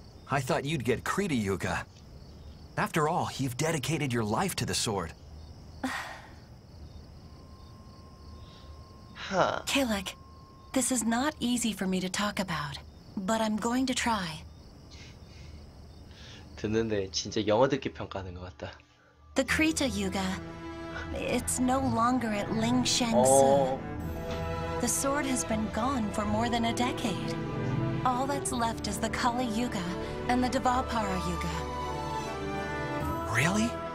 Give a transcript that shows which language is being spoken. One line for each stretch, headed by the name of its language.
English: I thought you'd get Kriti Yuga. After all, you've dedicated your life to the sword. Huh. Kilik, this is not easy for me to talk about, but I'm going to try.
Korean: 듣는데 진짜 영어 듣기 평가하는 것 같다.
English: The Krita Yuga, it's no longer at Ling Shengsu. The sword has been gone for more than a decade. All that's left is the Kali Yuga and the Dvapara Yuga. Really?